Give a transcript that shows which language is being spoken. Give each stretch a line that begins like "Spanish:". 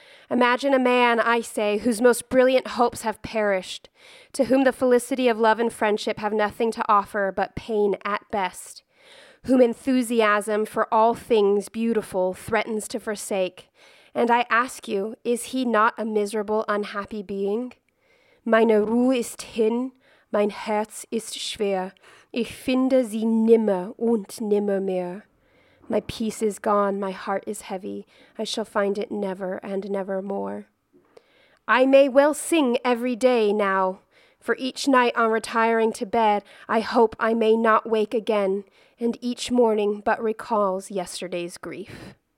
English: Imagine a man, I say, whose most brilliant hopes have perished, to whom the felicity of love and friendship have nothing to offer but pain at best, whom enthusiasm for all things beautiful threatens to forsake. And I ask you, is he not a miserable, unhappy being?
German: Meine Ruhe ist hin, mein Herz ist schwer, ich finde sie nimmer und nimmer mehr.
English: My peace is gone, my heart is heavy, I shall find it never and never more. I may well sing every day now, for each night on retiring to bed, I hope I may not wake again, and each morning but recalls yesterday's grief."